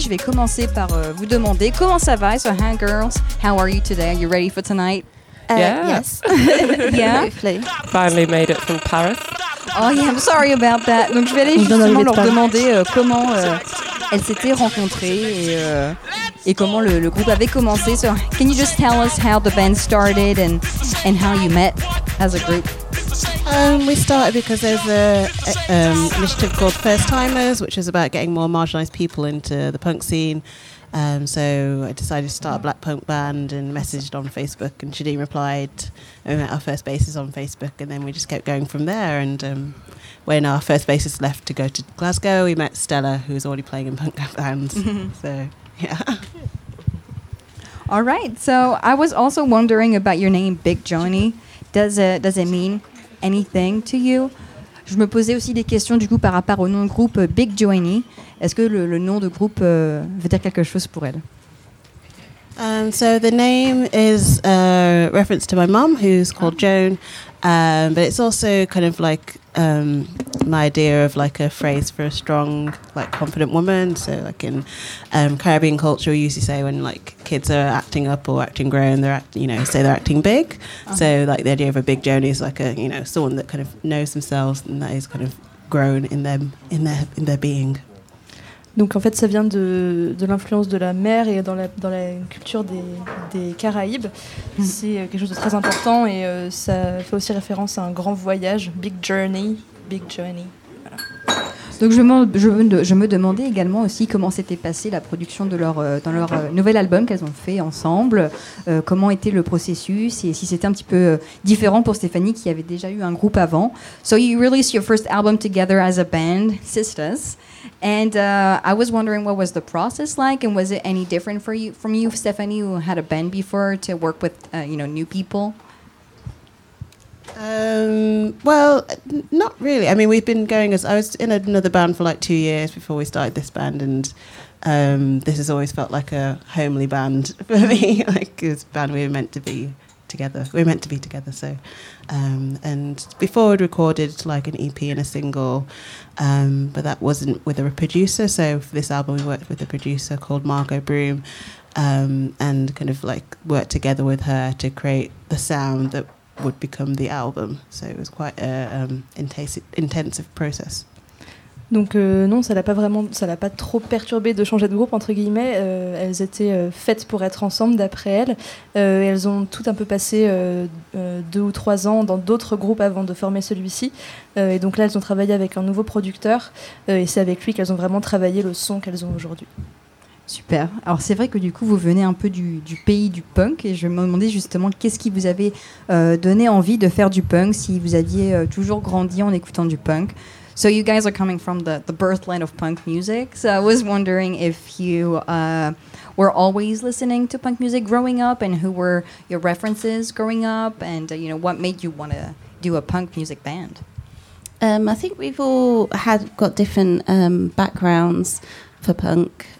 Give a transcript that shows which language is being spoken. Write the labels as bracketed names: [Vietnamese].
[French] Je vais commencer par vous demander comment ça va. [English] So, hi girls, how are you today? Are you ready for tonight? Yes. Yeah. Hopefully. Finally made it from Paris. Oh yeah, I'm sorry about that. [French] Donc je vais aller justement leur demander comment elles s'étaient rencontrées et comment le groupe avait commencé. [English] So, can you just tell us how the band started and how you met as a group? We started because there's an initiative called First Timers, which is about getting more marginalized people into the punk scene. So I decided to start a black punk band and messaged on Facebook, and Shadeen replied. And we met our first bassist on Facebook, and then we just kept going from there. And when our first bassist left to go to Glasgow, we met Stella, who was already playing in punk bands. So, yeah. All right. So I was also wondering about your name, Big Joanie. Does it mean anything to you? [French] Je me posais aussi des questions du coup par rapport au nom de groupe Big Joanie. Est-ce que le nom de groupe veut dire quelque chose pour elle? [English] So the name is a reference to my mom, who's called Joan, but it's also kind of like my idea of like a phrase for a strong, like confident woman. So like in Caribbean culture, we usually say when like kids are acting up or acting grown, they're acting big. Uh-huh. So like the idea of a Big Joanie is like a, you know, someone that kind of knows themselves and that is kind of grown in them, in their being. [French] Donc en fait ça vient de l'influence de la mer et dans la culture des Caraïbes. C'est quelque chose de très important et ça fait aussi référence à un grand voyage, Big Journey. Voilà. Donc je me demandais également aussi comment s'était passée la production de leur nouvel album qu'elles ont fait ensemble. Comment était le processus et si c'était un petit peu différent pour Stéphanie qui avait déjà eu un groupe avant. [English] So you released your first album together as a band, sisters. And I was wondering what was the process like, and was it any different for you, from you, Stéphanie, who had a band before, to work with new people? Well, not really. I mean, we've been going as I was in another band for like 2 years before we started this band, and this has always felt like a homely band for me. Like this band, we were meant to be together. We were meant to be together. So, and before we'd recorded like an EP and a single, but that wasn't with a producer. So for this album, we worked with a producer called Margot Broom, and kind of like worked together with her to create the sound that would become the album. So it was quite an intensive process. [French] Donc non, ça l'a pas trop perturbé de changer de groupe, entre guillemets. Elles étaient faites pour être ensemble, d'après elles. Elles ont toutes un peu passé 2 ou 3 ans dans d'autres groupes avant de former celui-ci. Et donc là, elles ont travaillé avec un nouveau producteur. Et c'est avec lui qu'elles ont vraiment travaillé le son qu'elles ont aujourd'hui. Super. Alors c'est vrai que du coup, vous venez un peu du pays du punk. Et je me demandais justement, qu'est-ce qui vous avait donné envie de faire du punk si vous aviez toujours grandi en écoutant du punk? [English] So you guys are coming from the birthland of punk music. So I was wondering if you were always listening to punk music growing up, and who were your references growing up, and what made you want to do a punk music band? I think we've all got different backgrounds for punk.